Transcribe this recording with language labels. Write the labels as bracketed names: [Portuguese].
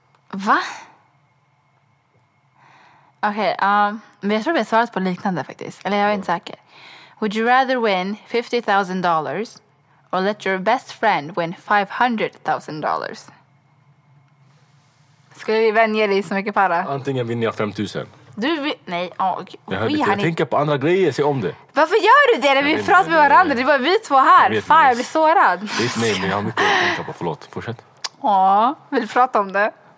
[Swedish] Va? Okej, okay, jag tror vi har svarat på liknande faktiskt. Eller jag är inte säker. [English] Would you rather win $50,000 or let your best friend win $500,000? [Swedish] Ska vi vänja dig så mycket para? Antingen vinner jag 5 000. Du vill... Nej, jag tänker på andra grejer, se om det. Varför gör du det när vi pratar med varandra? Det är bara vi två här. Fan, jag blir sårad. Det är inte mig, men jag har mycket att tänka på. Förlåt, fortsätt. Ja, vill du prata om det?